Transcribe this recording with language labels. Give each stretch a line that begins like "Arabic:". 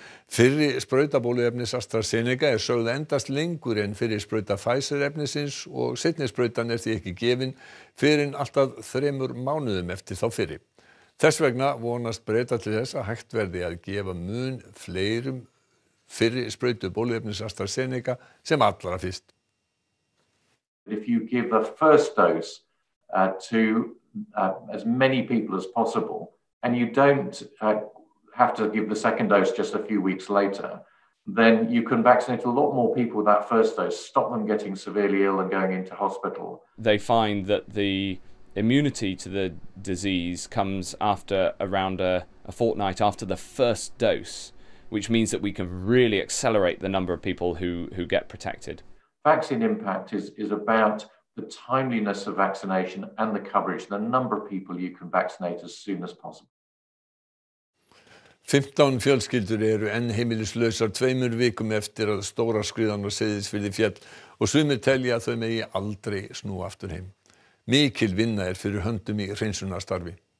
Icelandic: Fyrri sprauta bóluefnis AstraZeneca sögð endast lengur en fyrri sprauta Pfizer efnisins og seinni sprautan því ekki gefin fyrir en alltaf 3 mánuðum eftir þá fyrri. Þess vegna vonast breyta til þess að hægt verði að gefa mun fleirum fyrri sprautu bóluefnis AstraZeneca sem allra fyrst.
English: If you give the first dose to as many people as possible and you don't have to give the second dose just a few weeks later, then you can vaccinate a lot more people with that first dose, stop them getting severely ill and going into hospital. They find that the immunity to the disease comes after around a fortnight after the first dose, which means that we can really accelerate the number of people who get protected. Vaccine impact is about the timeliness of vaccination and the coverage, the number of people you can vaccinate as soon as possible.
Icelandic: 15 fjölskyldur eru enn heimilislausar 2 vikum eftir að stóra skriðan og Seyðisfirði féll og sumir telja að þau megi aldrei snúa aftur heim. Mikil vinna er fyrir höndum í hreinsunarstarfi.